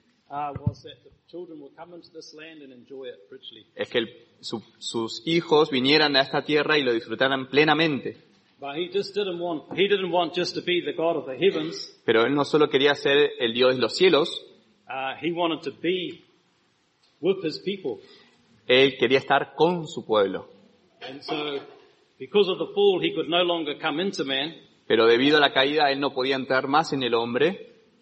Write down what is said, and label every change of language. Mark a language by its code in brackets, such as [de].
[en] Was that the children would come into this land and enjoy it richly. [es] Es que sus hijos vinieran a esta tierra y lo disfrutaran plenamente. [en] But he didn't want just to be the God of the heavens. [es] Pero él no solo quería ser el Dios de los cielos. [en] He wanted to be with his people. [es] Él quería estar con su pueblo. [en] And so, because of the fall, he could no longer come into man. [es] Pero debido a la caída, él no podía entrar más en el hombre.